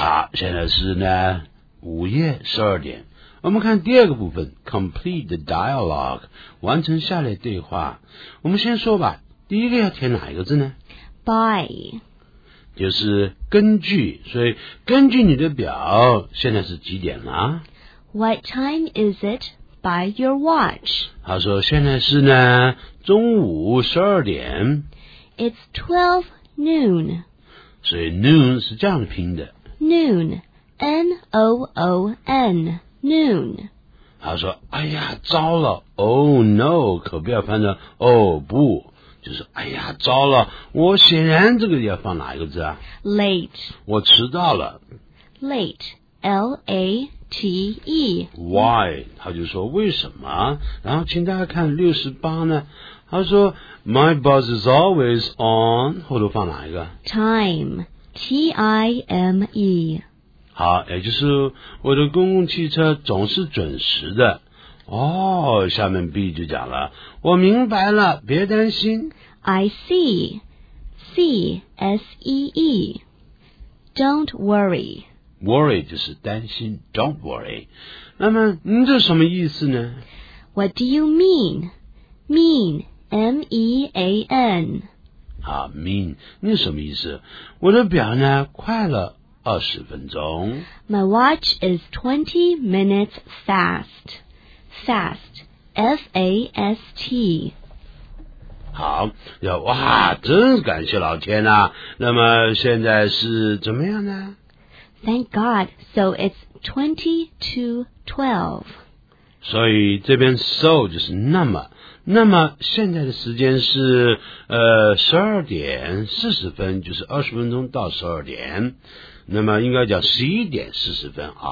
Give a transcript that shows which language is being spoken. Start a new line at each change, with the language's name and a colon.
Chinese: 啊，现在是呢午夜十二点。我们看第二个部分 ，
English: complete the dialogue，
Chinese: 完成下列对话。我们先说吧，第一个要填哪一个字呢
English: ？By，
Chinese: 就是根据。所以根据你的表，现在是几点了
English: ？What time is it by your watch？
Chinese: 他说现在是呢中午十二点。
English: It's 12 noon.
Chinese: 所以 noon 是这样拼的。
English: Noon. N-O-O-N. Noon.
Chinese: 他说哎呀糟了。
English: Oh no.
Chinese: 可不要翻着。Oh 不。就是哎呀糟了。我显然这个要放哪一个字啊
English: ?Late.
Chinese: 我迟到了。
English: Late. L-A-T-E. Why?
Chinese: 他就说为什么然后请大家看68呢。他说
English: My bus is always on
Chinese: 后头放哪一个
English: Time T-I-M-E
Chinese: 好也就是我的公共汽车总是准时的哦下面 B 就讲了我明白了别担心
English: I see C-S-E-E Don't worry
Chinese: Worry 就是担心
English: Don't worry
Chinese: 那么你这什么意思呢
English: What do you mean? MeanM-E-A-N
Chinese: 好 mean 你什么意思我的表呢快了二十分钟
English: My watch is 20 minutes fast Fast F-A-S-T
Chinese: 好要哇真感谢老天啊那么现在是怎么样呢
English: Thank God So it's 20 to 12
Chinese: 所以这边 so 就是那么那么现在的时间是12:40就是20分钟到12点那么应该叫11:40